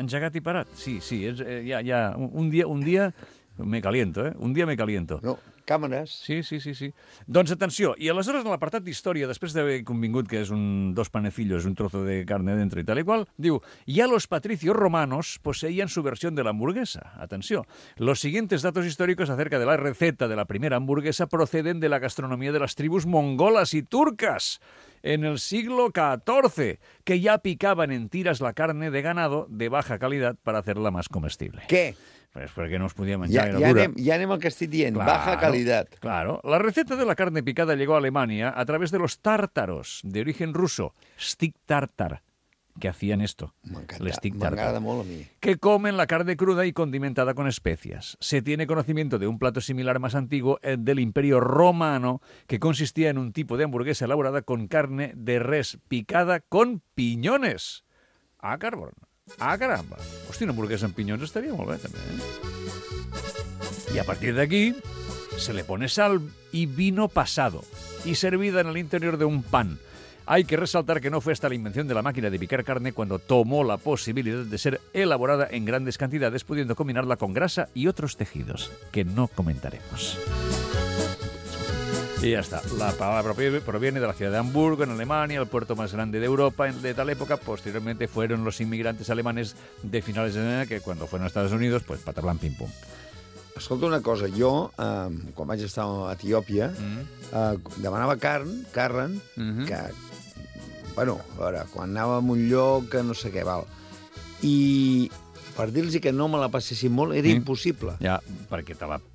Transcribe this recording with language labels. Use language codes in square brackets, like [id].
[ca] Engegat i parat. Sí, ja. Un dia... [es] Me caliento, eh? [ca] Un dia me caliento. No, càmeres. Sí. Doncs atenció, i aleshores, en l'apartat d'història, després d'haver convingut que és un dos [es] panecillos, un trozo de carne dentro [ca] i tal i qual, diu, [es] ya los patricios romanos poseían su versión de la hamburguesa. [ca] Atenció. [es] Los siguientes datos históricos acerca de la receta de la primera hamburguesa proceden de la gastronomía de las tribus mongolas y turcas. En el siglo XIV, que ya picaban en tiras la carne de ganado de baja calidad para hacerla más comestible. ¿Qué? [ca] Pues perquè no es podia menjar gaire dura. Ja anem al que estic dient, [es] claro, baja calidad. Claro. La receta de la carne picada llegó a Alemania a través de los tártaros de origen ruso, stick tartar, que hacían esto. [ca] M'agrada molt a mi. [es] Que comen la carne cruda y condimentada con especias. Se tiene conocimiento de un plato similar más antiguo del Imperio Romano, que consistía en un tipo de hamburguesa elaborada con carne de res picada con piñones. Ah, carbón. Ah, caramba. [ca] Hosti, una hamburguesa amb pinyons estaria molt bé, també. I a partir d'aquí, [es] se le pone sal y vino pasado y servida en el interior de un pan. Hay que resaltar que no fue hasta la invención de la máquina de picar carne cuando tomó la posibilidad de ser elaborada en grandes cantidades, pudiendo combinarla con grasa y otros tejidos, que no comentaremos. Y ya está. La palabra proviene de la ciudad de Hamburgo, en Alemania, el puerto más grande de Europa de tal época. Posteriormente fueron los inmigrantes alemanes de finales de enero que cuando fueron a Estados Unidos, pues patablan, pim, pum. [ca] Escolta una cosa, jo, quan vaig estar a Etiòpia, demanava carn, carren, que, bueno, a veure, quan anava a un lloc, no sé què, val. I per dir-los que no me la passessin molt era impossible. Ja, perquè te la...